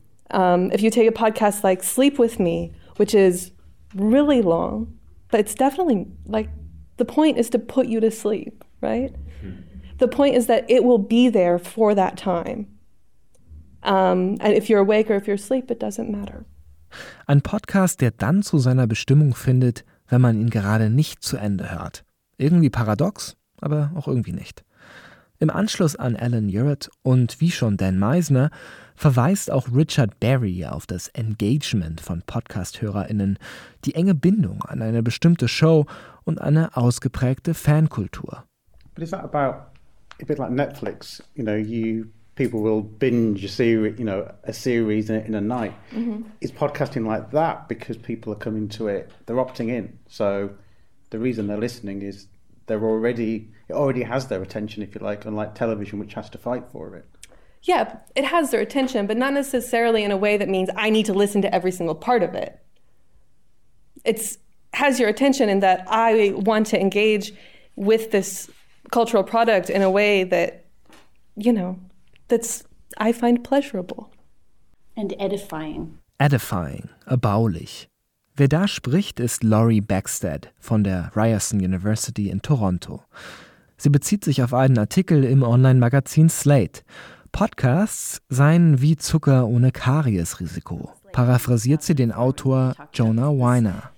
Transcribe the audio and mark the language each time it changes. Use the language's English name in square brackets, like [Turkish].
[English] If you take a podcast like Sleep With Me, which is really long, but it's definitely, like, the point is to put you to sleep, right? Mm-hmm. The point is that it will be there for that time. And if you're awake or if you're asleep, it doesn't matter. [German] Ein Podcast, der dann zu seiner Bestimmung findet, wenn man ihn gerade nicht zu Ende hört. Irgendwie paradox, aber auch irgendwie nicht. Im Anschluss an Alan Urett und wie schon Dan Meisner verweist auch Richard Berry auf das Engagement von Podcast-HörerInnen, die enge Bindung an eine bestimmte Show und eine ausgeprägte Fankultur. [English] But is that about a bit like Netflix? You know, people will binge a series in a night. Mm-hmm. Is podcasting like that because people are coming to it, they're opting in, so the reason they're listening is they're already, it already has their attention, if you like, unlike television, which has to fight for it. Yeah, it has their attention, but not necessarily in a way that means I need to listen to every single part of it. It's has your attention in that I want to engage with this cultural product in a way that, you know, that's, I find pleasurable. And edifying. [German] Edifying, erbaulich. Wer da spricht, ist Laurie Backstead von der Ryerson University in Toronto. Sie bezieht sich auf einen Artikel im Online-Magazin Slate. Podcasts seien wie Zucker ohne Kariesrisiko, paraphrasiert sie den Autor Jonah Weiner.